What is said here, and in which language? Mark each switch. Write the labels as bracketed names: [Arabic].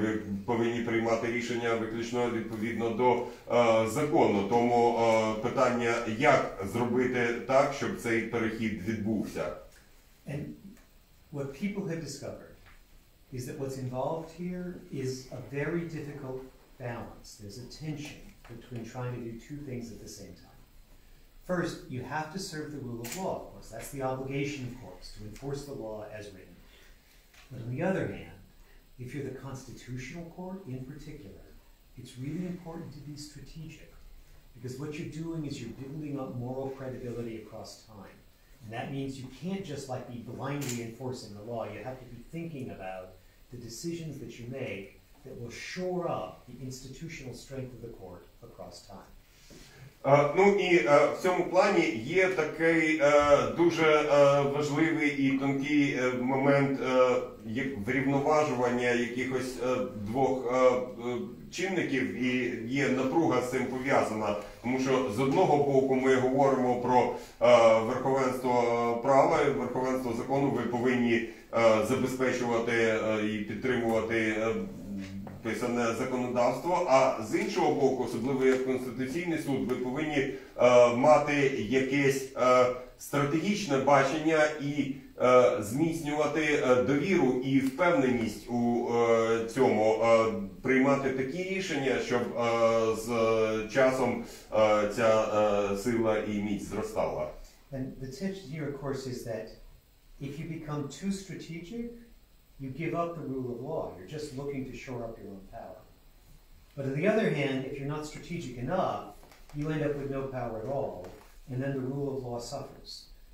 [Ukrainian] Ви повинні приймати рішення виключно відповідно до закону. Тому питання, як зробити так, щоб цей перехід відбувся. [English] What people have discovered is that what's involved here is a very difficult balance. There's a tension between trying to do two things at the same time. First, you have to serve the rule of law, of course. That's the obligation, of course, to enforce the law as written. But on the other hand, If you're the Constitutional Court in particular, it's really important to be strategic, because what you're doing is you're building up moral credibility across time. And that means you can't just like be blindly enforcing the law. You have to be thinking about the decisions that you make that will shore up the institutional strength of the court across time. [Ukrainian] Ну і в цьому плані є такий дуже важливий і тонкий момент як врівноважування якихось двох чинників, і є напруга з цим пов'язана, тому що з одного боку ми говоримо про верховенство права, верховенство закону, ви повинні забезпечувати і підтримувати писане законодавство, а з іншого боку, особливо як Конституційний суд, ви повинні мати якесь стратегічне бачення і зміцнювати довіру і впевненість у цьому, приймати такі рішення, щоб з часом ця сила і міць зростала. [English] And the tension here, of course, is that if you become too strategic, you give up the rule of law. You're just looking to shore up your own power. But on the other hand, if you're not strategic enough, you end up with no power at all, and then the rule of law suffers.